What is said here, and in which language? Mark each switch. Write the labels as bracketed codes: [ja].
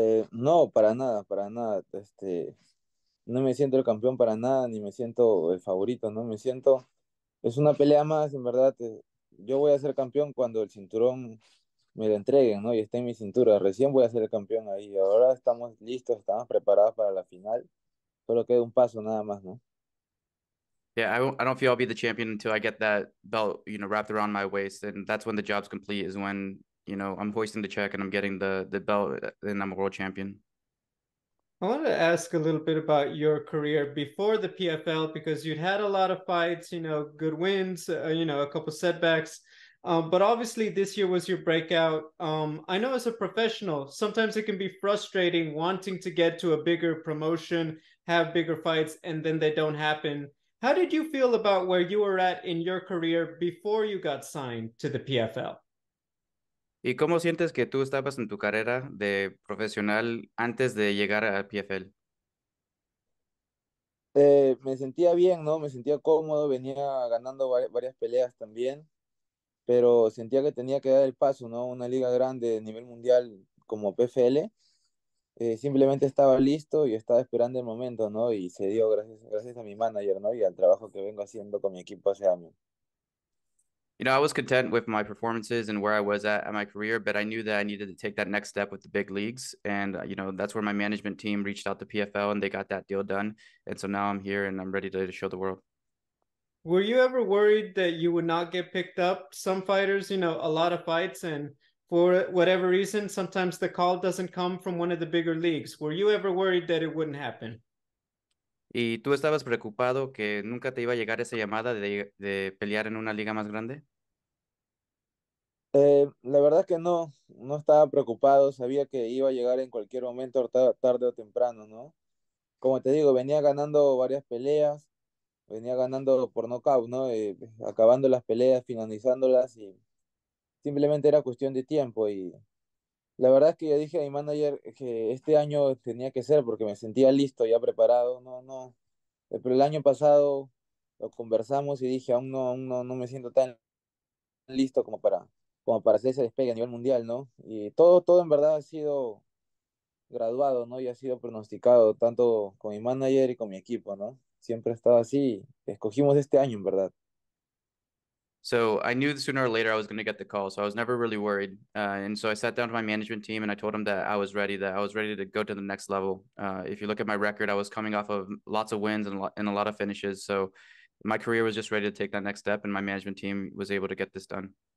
[es] No, para nada, no me siento el campeón para nada, ni me siento el favorito, ¿no? Me siento, es una pelea más, en verdad, yo voy a ser campeón cuando el cinturón me lo entreguen, ¿no? Y esté en mi cintura, recién voy a ser el campeón ahí, ahora estamos listos, estamos preparados para la final, solo queda un paso nada más, ¿no? [en] Yeah, I don't feel I'll be the champion until I get that belt, you know, wrapped around my waist, and that's when the job's complete, is when, you know, I'm hoisting the check and I'm getting the belt and I'm a world champion. I wanted to ask a little bit about your career before the PFL, because you'd had a lot of fights, you know, good wins, you know, a couple setbacks. But obviously this year was your breakout. I know as a professional, sometimes it can be frustrating wanting to get to a bigger promotion, have bigger fights, and then they don't happen. How did you feel about where you were at in your career before you got signed to the PFL? [es] ¿Y cómo sientes que tú estabas en tu carrera de profesional antes de llegar al PFL? Me sentía bien, ¿no? Me sentía cómodo, venía ganando varias peleas también, pero sentía que tenía que dar el paso, ¿no? Una liga grande de nivel mundial como PFL. Simplemente estaba listo y estaba esperando el momento, ¿no? Y se dio gracias a mi manager, ¿no? Y al trabajo que vengo haciendo con mi equipo hace años. [en] You know, I was content with my performances and where I was at my career, but I knew that I needed to take that next step with the big leagues. And, you know, that's where my management team reached out to PFL and they got that deal done. And so now I'm here and I'm ready to show the world. Were you ever worried that you would not get picked up? Some fighters, you know, a lot of fights, and for whatever reason, sometimes the call doesn't come from one of the bigger leagues. Were you ever worried that it wouldn't happen? [es] ¿Y tú estabas preocupado que nunca te iba a llegar esa llamada de pelear en una liga más grande? La verdad que no estaba preocupado, sabía que iba a llegar en cualquier momento, tarde o temprano, ¿no? Como te digo, venía ganando varias peleas, venía ganando por nocaut, ¿no? Acabando las peleas, finalizándolas, y simplemente era cuestión de tiempo. Y la verdad es que yo dije a mi manager que este año tenía que ser porque me sentía listo, ya preparado, no. Pero el año pasado lo conversamos y dije, aún no me siento tan listo como para hacer ese despegue a nivel mundial, ¿no? Y todo en verdad ha sido graduado, ¿no? Y ha sido pronosticado tanto con mi manager y con mi equipo, ¿no? Siempre ha estado así. Escogimos este año, en verdad. [en] So I knew sooner or later I was going to get the call, so I was never really worried. And so I sat down to my management team and I told them that I was ready, that I was ready to go to the next level. If you look at my record, I was coming off of lots of wins and a lot of finishes. So my career was just ready to take that next step, and my management team was able to get this done.